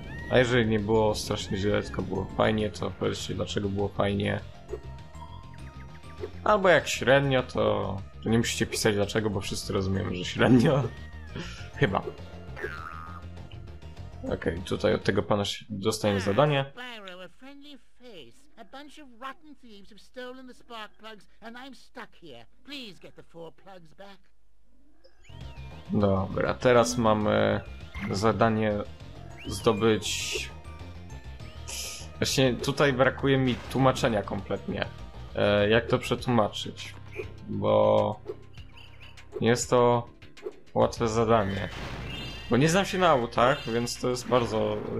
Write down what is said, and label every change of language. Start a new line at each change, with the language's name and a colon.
Polish: A jeżeli nie było strasznie źle, tylko było fajnie, to powiedzcie, dlaczego było fajnie. Albo jak średnio, to nie musicie pisać dlaczego, bo wszyscy rozumiemy, że średnio. Chyba. Okej, tutaj od tego pana się dostajemy zadanie.
English: A bunch of rotten thieves have stolen the spark plugs and I'm stuck here. Please get the four plugs back.
Polish: Dobra, teraz mamy zadanie zdobyć... Właśnie tutaj brakuje mi tłumaczenia kompletnie. Jak to przetłumaczyć? Bo... Jest to łatwe zadanie. Bo nie znam się na autach, więc to jest bardzo...